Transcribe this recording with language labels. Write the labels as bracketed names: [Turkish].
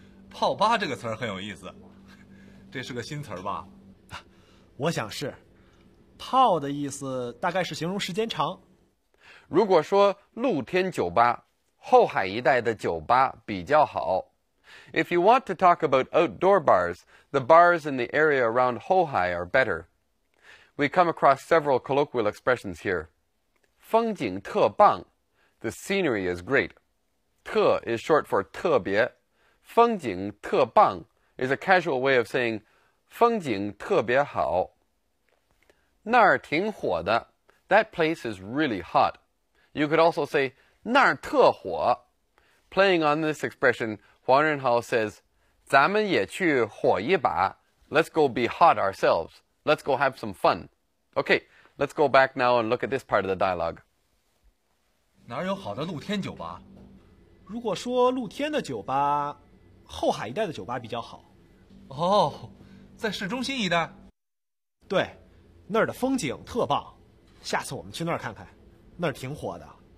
[Chinese] 泡吧这个词儿很有意思，这是个新词儿吧？我想是。泡的意思大概是形容时间长。如果说露天酒吧，后海一带的酒吧比较好。 [English] If you want to talk about outdoor bars, the bars in the area around Hohai are better. We come across several colloquial expressions here. [Chinese] 风景特棒。 [English] The scenery is great. 特 is short for 特别。 [Chinese] 风景特棒 [English] is a casual way of saying [Chinese] 风景特别好。那儿挺火的。 [English] That place is really hot. You could also say [Chinese] 那儿特火。 [English] Playing on this expression, 黄仁豪says, [Chinese] 咱们也去火一把。 [English] Let's go be hot ourselves. Let's go have some fun. Okay, let's go back now and look at this part of the dialogue. [Chinese] 哪有好的露天酒吧？如果说露天的酒吧，后海一带的酒吧比较好。哦，在市中心一带？对，那儿的风景特棒，下次我们去那儿看看，那儿挺火的。